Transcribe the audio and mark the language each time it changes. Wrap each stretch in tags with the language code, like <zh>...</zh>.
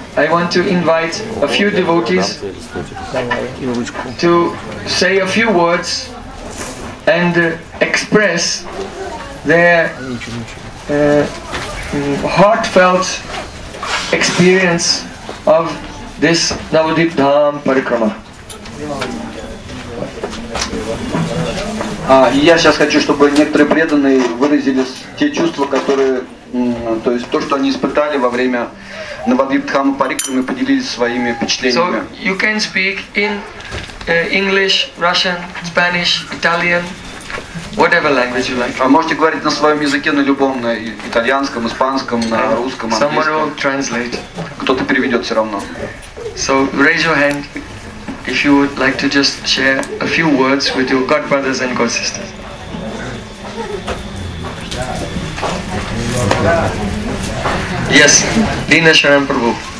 <en>want to invite a few devotees to say a few words and express their heartfelt experience of this Navadvip Dham Parikrama.</en> <ru>Я сейчас хочу, чтобы некоторые преданные выразили те чувства, которые, то есть то, что они испытали во время Навадвип Дхамы Парикрамы, поделились своими впечатлениями.</ru> <en>So you can speak in English, Russian, Spanish, Italian, whatever language you like.</en> <ru>Можете говорить на своем языке, на любом, на итальянском, испанском, на русском, английском.</ru> <en>Someone will translate.</en> <ru>Кто-то переведет все равно.</ru> <en>So raise your hand. If you would like to just share a few words with your god brothers and god sisters. Yes, Dina Sharan Prabhu.</en>